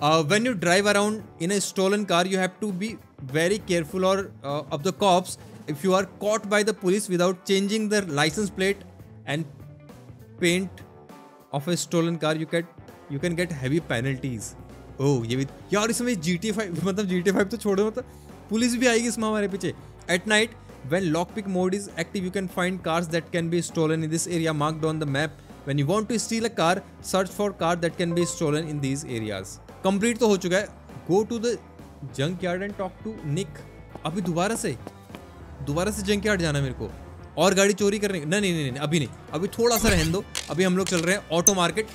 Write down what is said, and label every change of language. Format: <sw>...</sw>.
<en>When you drive around in a stolen car, you have to be very careful or of the cops. If you are caught by the police without changing their license plate and paint of a stolen car, you can get heavy penalties.</en> <hi>यार इसमें GT5 तो छोड़ो, मतलब police भी आएगी इसमें हमारे पीछे।</hi> <en>At night, when lockpick mode is active, you can find cars that can be stolen in this area marked on the map. When you want to steal a car, search for car that can be stolen in these areas.</en> <hi>Complete तो हो चुका है।</hi> <en>Go to the junkyard and talk to Nick.</en> <hi>अभी दोबारा से junkyard जाना है मेरे को और गाड़ी चोरी करने। नहीं, अभी नहीं, अभी थोड़ा सा रहन दो। अभी हम लोग चल रहे हैं ऑटो मार्केट।</hi>